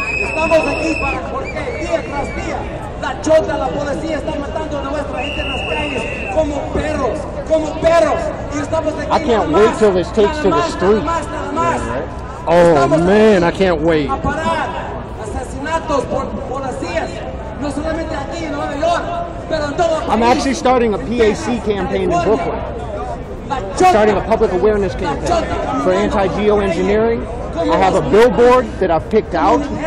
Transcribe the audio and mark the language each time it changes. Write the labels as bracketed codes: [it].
[es] Estamos aquí para porque día tras día la chota, la policía está matando a nuestra gente en las calles como perros, como perros. Y estamos aquí. [en] I can't wait till this takes to the streets. Oh man, I can't wait. [es] A parar asesinatos por policías, no solamente aquí en Nueva York, pero en todo el país. [en] I'm actually starting a PAC campaign in Brooklyn. Starting a public awareness campaign for anti-geoengineering. I have a billboard that I've picked out.